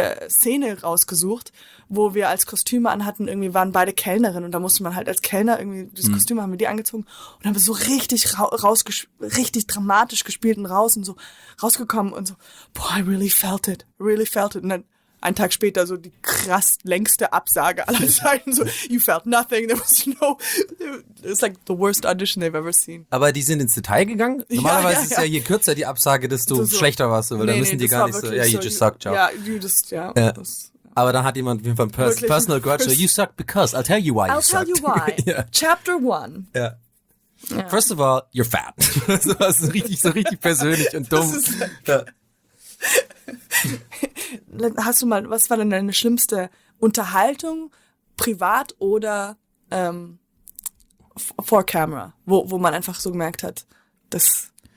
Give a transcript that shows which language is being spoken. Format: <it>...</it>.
<de>Szene rausgesucht, wo wir als Kostüme anhatten, irgendwie waren beide Kellnerinnen und da musste man halt als Kellner irgendwie das Kostüm haben wir die angezogen und haben wir so richtig richtig dramatisch gespielt und raus und so rausgekommen und so, boah,</de> <en>I really felt it, really felt it.</en> <de>Und dann einen Tag später so die krass längste Absage aller Zeiten, so,</de> <en>you felt nothing, there was no, it's like the worst audition they've ever seen.</en> <de>Aber die sind ins Detail gegangen? Normalerweise ist ja je kürzer die Absage, desto so schlechter warst du, weil dann müssen die gar nicht so,</de> <en>yeah, you just suck,</en> <de>ciao. Ja,</de> <en>you just,</en> <de>aber dann hat jemand auf jeden Fall ein</de> <en>personal grudge, so, you suck because, I'll tell you why I'll tell you why, chapter one.</en> <de>Ja.</de> <en>Yeah. Yeah. First of all, you're fat.</en> <de>Das ist richtig, so richtig persönlich und dumm. Hast du mal, was war denn deine schlimmste Unterhaltung, privat oder vor Kamera, wo man einfach so gemerkt hat, dass...</de>